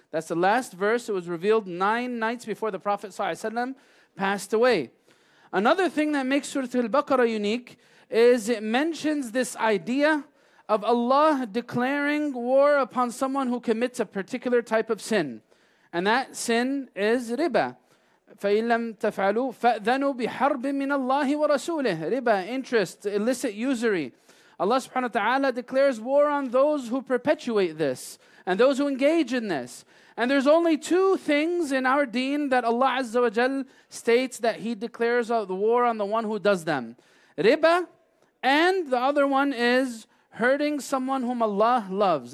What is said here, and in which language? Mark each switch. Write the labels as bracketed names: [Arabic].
[English] That's the last verse. It was revealed 9 nights before the Prophet ﷺ passed away. Another thing that makes Surah Al-Baqarah unique is it mentions this idea of Allah declaring war upon someone who commits a particular type of sin. And that sin is riba. [Arabic] فَإِنْ لَمْ تَفْعَلُوا فَأْذَنُوا بِحَرْبٍ مِّنَ اللَّهِ وَرَسُولِهِ [English] Riba, interest, illicit usury. Allah subhanahu wa ta'ala declares war on those who perpetuate this and those who engage in this. And there's only two things in our deen that Allah azza wa jal states that He declares the war on the one who does them. Riba, and the other one is hurting someone whom Allah loves.